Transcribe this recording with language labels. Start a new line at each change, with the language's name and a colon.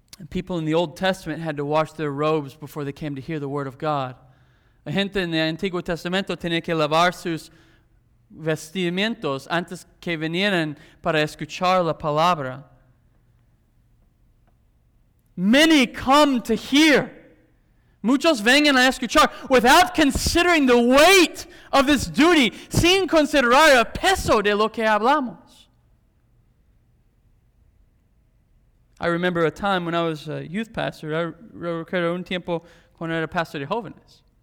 English: People in the Old Testament had to wash their robes before they came to hear the word of God.
Spanish: La gente en el Antiguo Testamento tenía que lavar sus vestimientos antes que vinieran para escuchar la palabra.
English: Many come to hear,
Spanish: Muchos vengan a escuchar
English: without considering the weight of this duty,
Spanish: sin considerar el peso de lo que hablamos.
English: I remember a time when I was a youth pastor.
Spanish: I recuerdo un tiempo cuando era pastor de jóvenes.